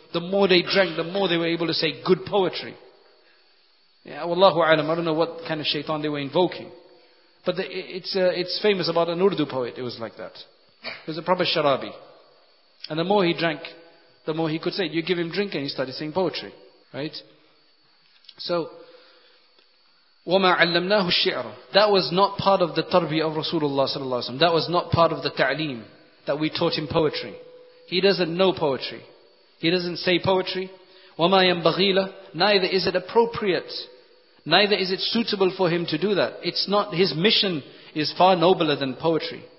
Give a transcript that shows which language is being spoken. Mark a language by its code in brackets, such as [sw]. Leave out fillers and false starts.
[en] The more they drank, the more they were able to say good poetry. Yeah, wallahu alam, I don't know what kind of shaitan they were invoking. But it's famous about an Urdu poet, it was like that. It was a proper Sharabi. And the more he drank, the more he could say. You give him drink and he started saying poetry. Right? [ar] So, وَمَا عَلَّمْنَاهُ الشِّعْرَ. [en] That was not part of the tarbiyah of Rasulullah صلى الله عليه وسلم. That was not part of the ta'aleem that we taught him poetry. He doesn't know poetry. He doesn't say poetry. [ar] وَمَا يَنْبَغِي لَهُ. [en] Neither is it appropriate. Neither is it suitable for him to do that. It's not, his mission is far nobler than poetry.